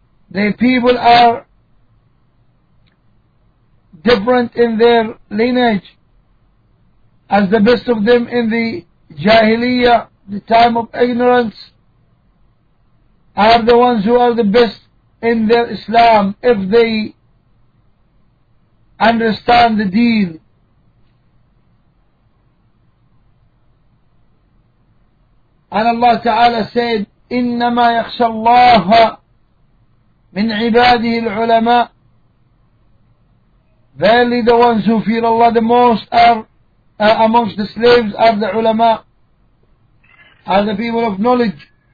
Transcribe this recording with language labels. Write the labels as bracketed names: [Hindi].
[English] The people are different in their lineage, as the best of them in the Jahiliyyah, the time of ignorance, are the ones who are the best in their Islam if they understand the deen. And Allah Ta'ala said, [Arabic] إِنَّمَا يَخْشَى اللَّهَ من عباده العلماء. [English] Verily the ones who fear Allah the most are amongst the slaves are the ulama, are the people of knowledge.